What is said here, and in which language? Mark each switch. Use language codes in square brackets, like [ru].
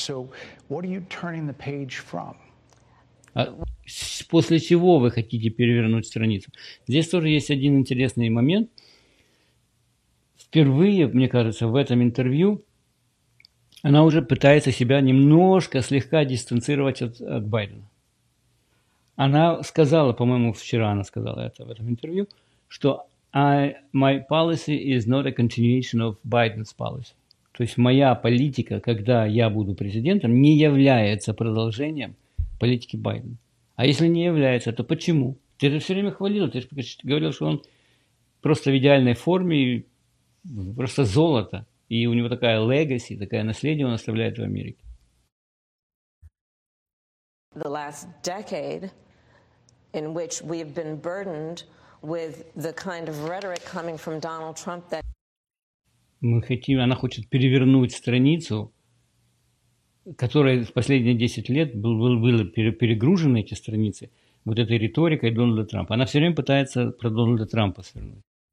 [en] So what are you turning the page from? [ru] После чего вы хотите перевернуть страницу? Здесь тоже есть один интересный момент. Впервые, мне кажется, в этом интервью она уже пытается себя немножко слегка дистанцировать от Байдена. Она сказала, по-моему, вчера она сказала это в этом интервью, что [en] my policy is not a continuation of Biden's policy. [ru] То есть моя политика, когда я буду президентом, не является продолжением политики Байдена. А если не является, то почему? Ты же все время хвалил, ты же говорил, что он просто в идеальной форме, просто золото, и у него такая легаси, такое наследие он оставляет в Америке. [en] The last decade in which we've been burdened with the kind of rhetoric coming from Donald Trump that... [ru] Она хочет перевернуть страницу которые в последние 10 лет были перегружены, эти страницы, вот этой риторикой Дональда Трампа. Она все время пытается про Дональда Трампа свернуть.